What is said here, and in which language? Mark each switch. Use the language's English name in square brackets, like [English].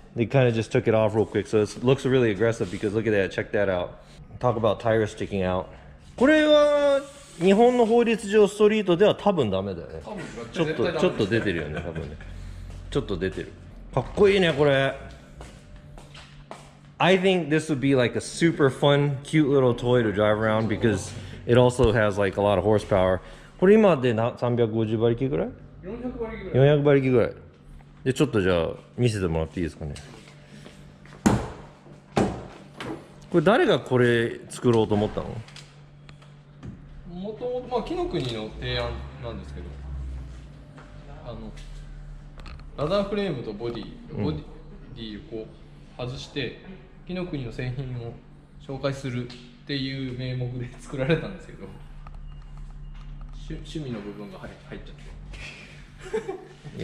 [English] They kind of just took it off real quick. So it looks really aggressive because look at that. Check that out. Talk about tires sticking out. [Japanese] これは日本の法律上ストリートでは多分ダメだよね。ちょっと出てるよね、多分ね。ちょっと出てる。かっこいいね、これ。 [English] I think this would be like a super fun, cute little toy to drive around because it also has like a lot of horsepower. [Japanese] これ今で350馬力ぐらい 400馬力ぐらいでちょっとじゃあ見せてもらっていいですかね。これ誰がこれ作ろうと思ったの？もともとまあ紀ノ国の提案なんですけど、あのラダーフレームとボディをこう外して紀ノ国の製品を紹介するっていう名目で作られたんですけど、趣味の部分が入っちゃってい